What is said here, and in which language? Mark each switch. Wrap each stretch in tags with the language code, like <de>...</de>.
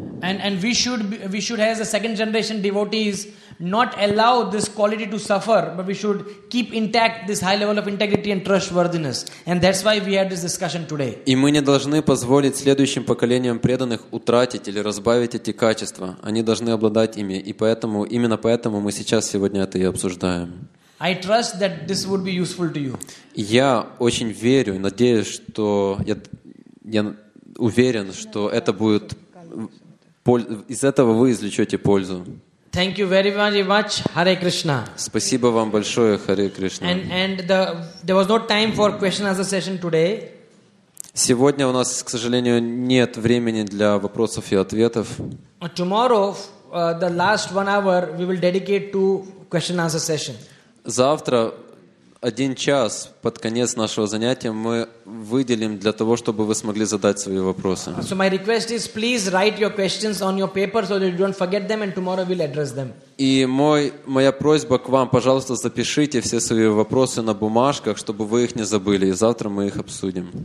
<en>And we should as a second generation devotees not allow this quality to suffer, but we should keep intact this high level of integrity and trustworthiness. And that's why we had this discussion today.</en> <ru>И мы не должны позволить следующим поколениям преданных утратить или разбавить эти качества. Они должны обладать ими. И поэтому, именно поэтому мы сейчас сегодня это и обсуждаем.</ru> <en>I trust that this would be useful to you.</en> <ru>Я очень верю, надеюсь, что я уверен, что это будет из этого вы извлечете пользу.</ru> <en>Thank you very much, Hare Krishna.</en> <ru>Спасибо вам большое, Hare Krishna.</ru> <en>And there was no time for question answer session today.</en> <ru>Сегодня у нас, к сожалению, нет времени для вопросов и ответов.</ru> <en>Tomorrow, the last 1 hour, we will dedicate to question answer session.</en> <ru>Завтра 1 час под конец нашего занятия мы выделим для того, чтобы вы смогли задать свои вопросы.</ru> <en>So my request is, please write your questions on your paper so that you don't forget them, and tomorrow we'll address them.</en> <ru>И моя просьба к вам, пожалуйста, запишите все свои вопросы на бумажках, чтобы вы их не забыли, и завтра мы их обсудим.</ru>